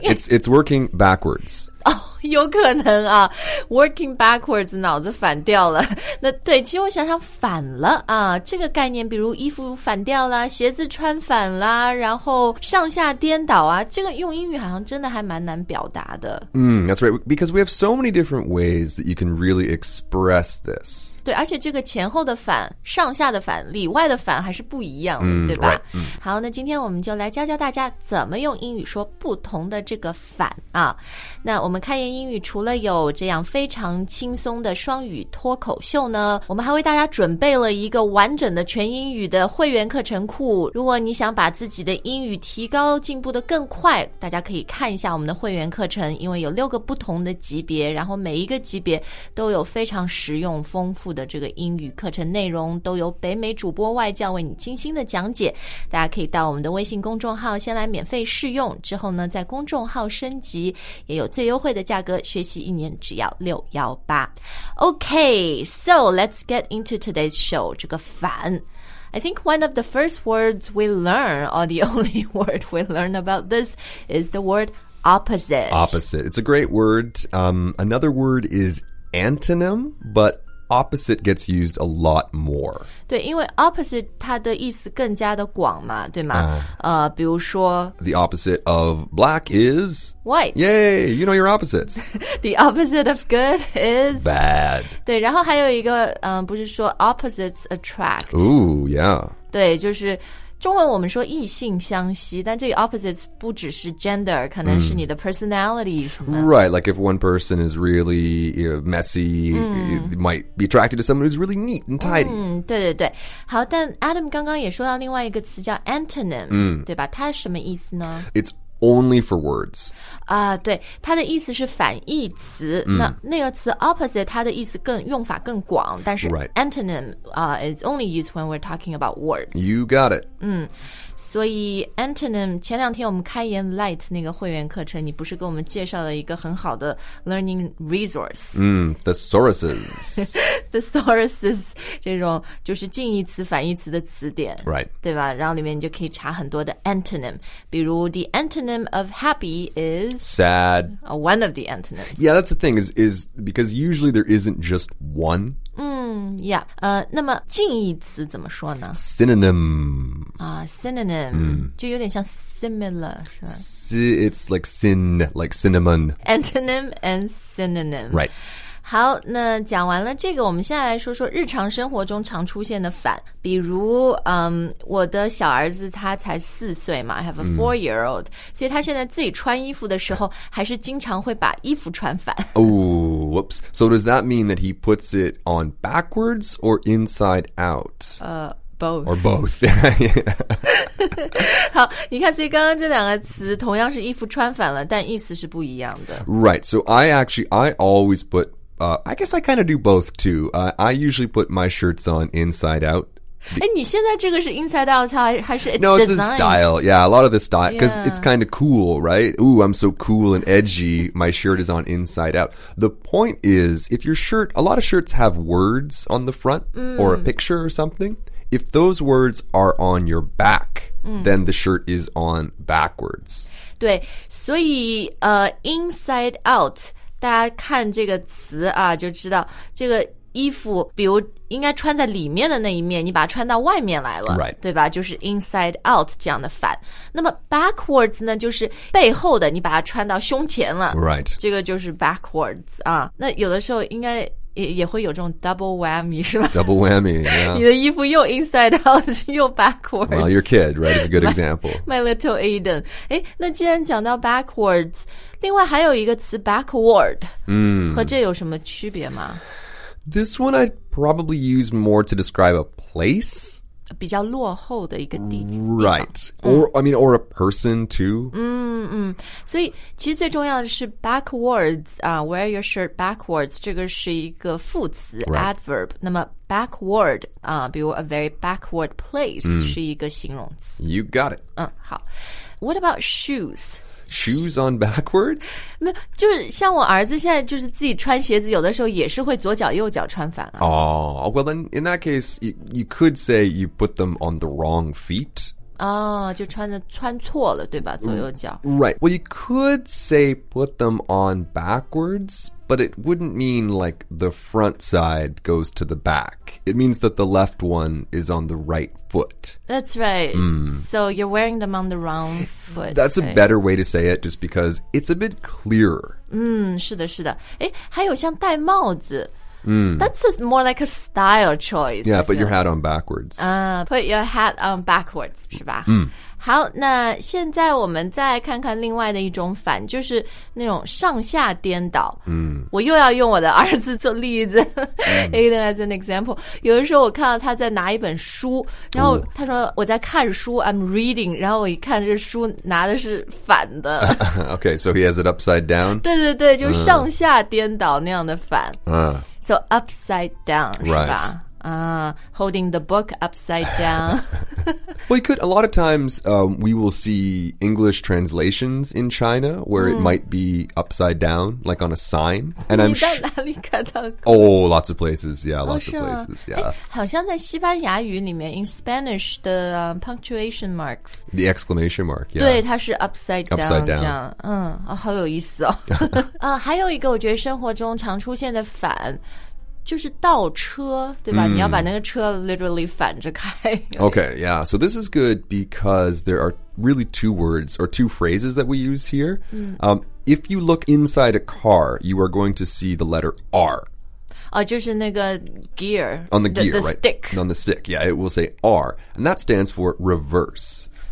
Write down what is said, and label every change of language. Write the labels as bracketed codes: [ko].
[en] It's working backwards. [zh] 哦、 [en] oh, [zh] ，有可能啊 , [en] working backwards, [zh] 脑子反掉了。那对，其实我想想反了啊，这个概念比如衣服反掉啦，鞋子穿反啦，然后上下颠倒啊，这个用英语好像真的还蛮难表达的。 [en] That's right, because we have so many different ways that you can really express this. [zh] 对，而且这个前后的反、上下的反、里外的反还是不一样的、对吧、 [en] right. [zh] 好，那今天我们就来教教大家怎么用英语说不同的这个反啊。那我们开言英语除了有这样非常轻松的双语脱口秀呢，我们还为大家准备了一个完整的全英语的会员课程库。如果你想把自己的英语提高进步得更快，大家可以看一下我们的会员课程，因为有六个不同的级别，然后每一个级别都有非常实用丰富的这个英语课程内容，都有北美主播外教为你精心的讲解。大家可以到我们的微信公众号先来免费试用，之后呢在公众号升级也有最优惠的价格，学习一年只要618。 [en] Okay, so let's get into today's show. [zh] 这个反 [en] I think one of the first words we learn, or the only word we learn about this, is the word opposite. Opposite. It's a great word. Another word is antonym, butOpposite gets used a lot more. [zh] 对，因为 opposite 它的意思更加的广嘛，对吗？比如说 [en] The opposite of black is white. Yay, you know your opposites. The opposite of good is bad. [zh] 对，然后还有一个，不是说 [en] opposites attract. Ooh, yeah. [zh] 对，就是中文我们说异性相吸，但这个 opposites 不只是 gender, 可能是你的 personality 什么。 [en] Right, like if one person is really messy, you might be attracted to someone who's really neat and tidy. [zh] 对对对。好，但 Adam 刚刚也说到另外一个词叫 antonym,对吧？它什么意思呢？ [en] It's only for words. [zh] 对，它的意思是反义词。那个词 opposite, 它的意思更用法更广，但是 [en] right. antonym, is only used when we're talking about words. You got it. [zh] 所以 antonym, 前两天我们开言 light 那个会员课程，你不是给我们介绍了一个很好的 [en] learning resource? Thesauruses. [zh] Thesauruses, 这种就是近义词反义词的词典。 [en] Right. [zh] 对吧？然后里面你就可以查很多的 antonym. 比如 [en] the antonym of happy is? Sad. One of the antonyms. Yeah, that's the thing, is because usually there isn't just one. [zh] 那么近义词怎么说呢？ [en] Synonym. [zh] Synonym, 就有点像 similar, 是吧? [en] It's like sin, like cinnamon. Antonym and synonym. Right. [zh] 好，那讲完了这个，我们现在来说说日常生活中常出现的反。比如，我的小儿子他才四岁嘛， [en] I have a four-year-old. [zh] 所以他现在自己穿衣服的时候，还是经常会把衣服穿反。 [en] Oh, whoops. So does that mean that he puts it on backwards or inside out? Both. Or both. [zh] 好，你看，所以刚刚这两个词同样是衣服穿反了，但意思是不一样的。 [en] Right. So I always put, I guess I kind of do both too. I usually put my shirts on inside out. [zh] 你现在这个是 [en] inside out [zh] 还是 [en] it's designed? No, it's the style. Yeah, a lot of the style. Because it's kind of cool, right? Ooh, I'm so cool and edgy. My shirt is on inside out. The point is, if your shirt, a lot of shirts have words on the front or a picture or something. If those words are on your back, then the shirt is on backwards. [zh] 对，所以inside out, 大家看这个词啊，就知道这个衣服，比如应该穿在里面的那一面，你把它穿到外面来了、 [en] right. [zh] 对吧，就是 inside out 这样的反。那么 backwards 呢，就是背后的，你把它穿到胸前了、 [en] right. [zh] 这个就是 backwards 啊。那有的时候应该也会有这种 double whammy 是吧？ [en] Double whammy、yeah. [zh] 你的衣服又 inside out 又 backwards。 [en] Well, your kid, right, is a good example. My little Aiden。 [zh] 那既然讲到 backwards, 另外还有一个词 backward、和这有什么区别吗？ [en] This one I'd probably use more to describe a place. [zh] 比较落后的一个地方。 [en] Right. Or, I mean, or a person too. [zh] 所以其实最重要的是 backwards, [en] wear your shirt backwards. [zh] 这个是一个副词、 [en] right. adverb. [zh] 那么 backward, 比如 [en] a very backward place [zh] 是一个形容词。 [en] You got it. [zh] 好。 [en] What about shoes? shoes on backwards? [zh] 没有，就是像我儿子现在就是自己穿鞋子，有的时候也是会左脚右脚穿反啊。 [en] Oh, well, then in that case, you could say you put them on the wrong feet. [zh] 就穿错了对吧左右脚 [en] Right, well you could say put them on backwards But it wouldn't mean like the front side goes to the back It means that the left one is on the right foot That's right, so you're wearing them on the wrong foot That's right? a better way to say it just because it's a bit clearer [zh] 是的是的还有像戴帽子 [en] That's a, more like a style choice. Yeah, put your hat on backwards. Put your hat on backwards, [zh] 是吧？好，那现在我们再看看另外的一种反，就是那种上下颠倒。我又要用我的儿子做例子， [en] Aiden as an example. [zh] 有的时候我看到他在拿一本书，然后他说我在看书， [en] I'm reading. [zh] 然后我一看这书拿的是反的。 [en] Okay, so he has it upside down. [zh] 对对对，就上下颠倒那样的反。 [en] So upside down, right? Holding the book upside down. Well, you could. A lot of times, we will see English translations in China where it might be upside down, like on a sign. And I'm sure. [zh] 你在哪里看到过？ [en] Oh, lots of places. Yeah, lots of places. Yeah. [zh] 好像在西班牙语里面 [en] in Spanish, the punctuation marks. The exclamation mark. Yeah. [zh] 对，它是 upside down. [en] Upside down. [zh] 好有意思哦。还有一个，我觉得生活中常出现的反。就是倒车对吧、你要把那个车 literally 反着开 [en] Okay, yeah, so this is good because there are really two words or two phrases that we use here、If you look inside a car, you are going to see the letter R [zh] 就是那个 gear [en] On the gear, the stick. Right? On the stick, yeah, it will say R And that stands for reverse